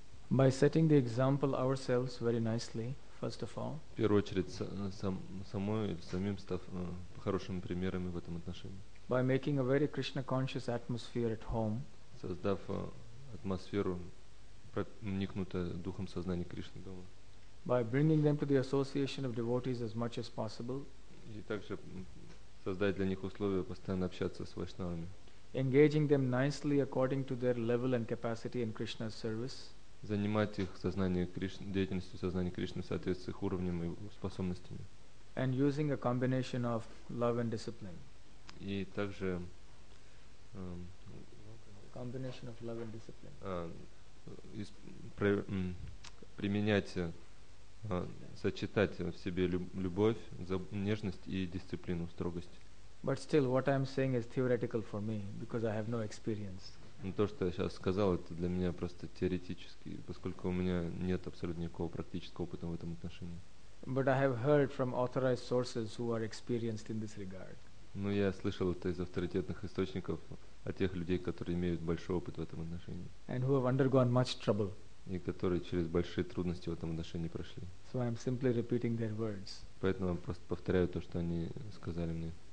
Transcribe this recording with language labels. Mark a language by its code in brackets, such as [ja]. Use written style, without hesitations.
[en] By setting the example ourselves very nicely, first of all. [ru] В первую очередь самим став хорошими примерами в этом отношении. [en] By making a very Krishna conscious atmosphere at home. [ru] Создав атмосферу проникнута духом сознания Кришны Дома. [en] By bringing them to the association of devotees as much as possible. [ru] И также создать для них условия постоянно общаться с вайшнавами. [en] Engaging them nicely according to their level and capacity in Krishna's service. [ru] Занимать их сознание Кришны, деятельностью сознания Кришны в соответствии с уровнем и способностями. [en] And using a combination of love and discipline. [ru] И также [en] combination of love and discipline. [ru] Применять, сочетать в себе любовь, нежность и дисциплину, строгость. [en] But still, what I am saying is theoretical for me because I have no experience. [ru] То, что я сейчас сказал, это для меня просто теоретически, поскольку у меня нет абсолютно никакого практического опыта в этом отношении. [en] But I have heard from authorized sources who are experienced in this regard. [ru] Но я слышал это из авторитетных источников о тех людей, которые имеют большой опыт в этом отношении. [en] And who have undergone much trouble. [ru] И которые через большие трудности в этом отношении прошли. [en] So I am simply repeating their words. [ru] Поэтому я просто повторяю то, что они сказали мне.